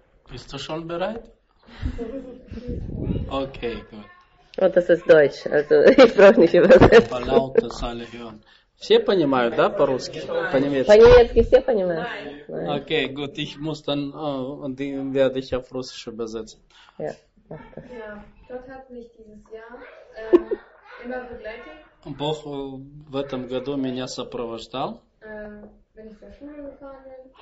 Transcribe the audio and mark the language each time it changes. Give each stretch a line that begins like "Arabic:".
German: Bist du schon bereit? Okay, gut. Oh, das ist Deutsch, also ich brauche nicht übersetzen. Aber laut das alle hören.
Russian: Все понимают, да, по-русски? По-немецки? По-немецки все понимают.
German: Okay, gut, ich muss dann, den werde ich auf Russisch übersetzen. Ja, mach das. Ja, Gott hat mich dieses Jahr immer begleitet.
Russian: Бог в этом году меня сопровождал.
German: Wenn ich zur Schule gefahren bin.